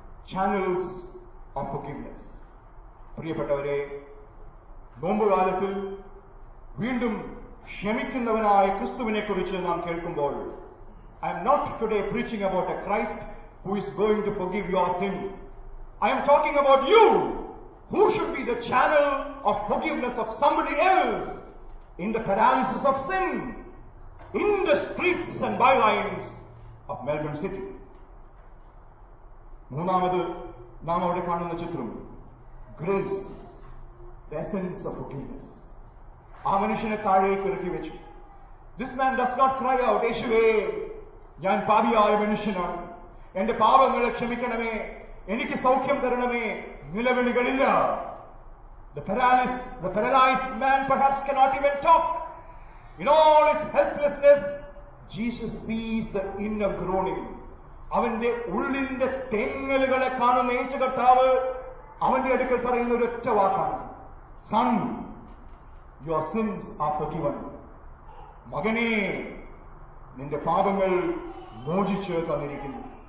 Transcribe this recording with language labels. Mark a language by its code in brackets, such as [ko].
[en] Channels of forgiveness. [ml] പ്രിയപ്പെട്ടവരെ, നോമ്പുകാലത്തിൽ വീണ്ടും ക്ഷമിക്കുന്നവനായ ക്രിസ്തുവിനെ കുറിച്ച് നാം കേൾക്കുമ്പോൾ, [en] I am not today preaching about a Christ who is going to forgive your sin. I am talking about you, who should be the channel of forgiveness of somebody else in the paralysis of sin. in the streets and bylines of Melbourne City. [ml] മൂന്നാമത് നാം അവിടെ കാണുന്ന ചിത്രം grace, [en] The essence of forgiveness. [ml] ആ മനുഷ്യനെ താഴേക്ക് ഇറക്കി വെച്ചു. [en] this man does not cry out [ml] യേശുവേ, ഞാൻ പാപിയായ മനുഷ്യനാണ്, എന്റെ പാപങ്ങളെ ക്ഷമിക്കണമേ, എനിക്ക് സൗഖ്യം തരണമേ, നിലവിളികളില്ല. [en] The paralyzed man perhaps cannot even talk. In all his helplessness, Jesus sees the inner groaning. [ml] അവന്റെ ഉള്ളിന്റെ തെങ്ങലുകളെ കാണുന്ന യേശു കർത്താവ് അവന്റെ അടുക്കൽ പറയുന്ന ഒരു ഒറ്റ വാക്കാണ്, [en] Son, your sins are forgiven. [ml] മകനെ, നിന്റെ പാപങ്ങൾ മോചിച്ച് തന്നിരിക്കുന്നു.